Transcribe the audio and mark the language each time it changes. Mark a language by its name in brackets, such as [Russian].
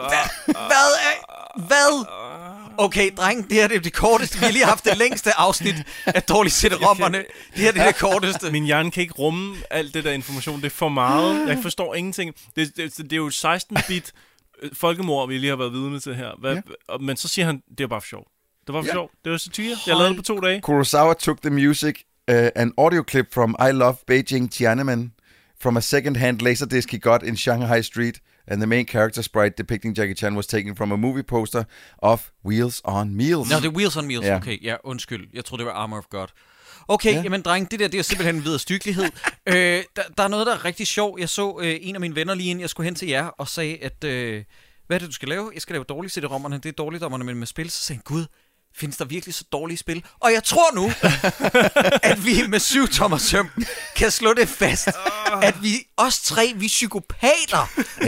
[Danish] Ej, hvad? Okay, dreng, det her er det korteste. Vi har lige haft det længste afsnit af Dårligt Sætte Rommerne. Det her er det korteste. Min hjerne kan ikke rumme alt det der information. Det er for meget. Jeg forstår ingenting. Det er jo 16-bit folkemord, vi lige har været vidne til her. Hvad? Ja. Men så siger han, det er bare for sjov. Det var for sjov. Det var satire. Jeg lavede det på 2 dage. [English] Kurosawa took the music, an audio clip from I Love Beijing Tiananmen, from a second-hand laserdisc he got in Shanghai Street. And the main character sprite depicting Jackie Chan was taken from a movie poster of Wheels on Meals. [Danish] Nå, det er Wheels on Meals. Yeah. Okay, ja, undskyld. Jeg troede, det var Armor of God. Okay, yeah. Jamen dreng, det der er simpelthen en videre styggelighed. der er noget, der er rigtig sjovt. Jeg så en af mine venner lige inden, jeg skulle hen til jer og sagde, at hvad er det, du skal lave? Jeg skal lave dårligt CD-rommerne. Det er dårligdommerne, men med spil. Så sagde han, gud, findes der virkelig så dårlige spil? Og jeg tror nu, at vi med 7-tommer-søm kan slå det fast, at vi os tre, vi psykopater, ja.